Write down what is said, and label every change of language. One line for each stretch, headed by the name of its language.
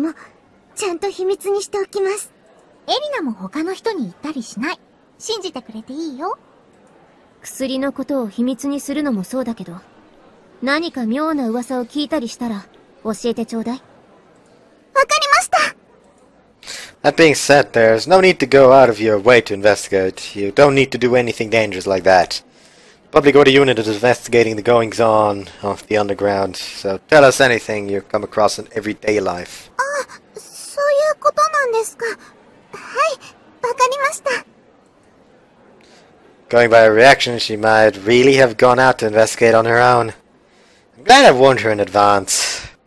Japanese: 私も、ちゃんと秘密にしておきます。エリナも他の人に言ったりしない。信じてくれていいよ。薬のことを秘密にするのもそうだけど、何か妙な噂を聞いたりしたら教えてちょうだい。わかりました。
English: That being said, there's no need to go out of your way to investigate. You don't need to do anything dangerous like that. Public Order Unit is investigating the goings on of the underground, so tell us anything you come across in everyday life.
Japanese: あ、そういうことなんですか。はい、わかりました。
English: Going by her reaction, she might really have gone out to investigate on her own. I'm glad I warned her in advance.